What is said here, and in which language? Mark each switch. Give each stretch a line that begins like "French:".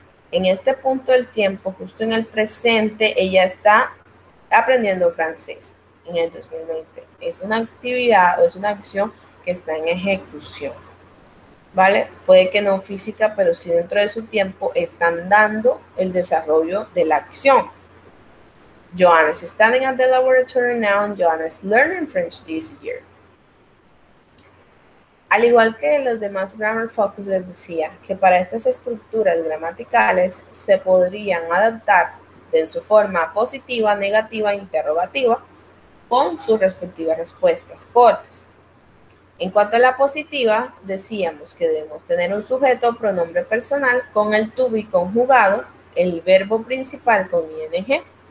Spanish: En este punto del tiempo, justo en el presente, ella está aprendiendo francés en el 2020. Es una actividad o es una acción que está en ejecución. ¿Vale? Puede que no física, pero sí dentro de su tiempo están dando el desarrollo de la acción.
English: Joana is standing at the laboratory now and Joana is learning French this year.
Spanish: Al igual que los demás Grammar Focus, les decía que para estas estructuras gramaticales se podrían adaptar en su forma positiva, negativa e interrogativa con sus respectivas respuestas cortas. En cuanto a la positiva, decíamos que debemos tener un sujeto o pronombre personal con el to be conjugado, el verbo principal con ing.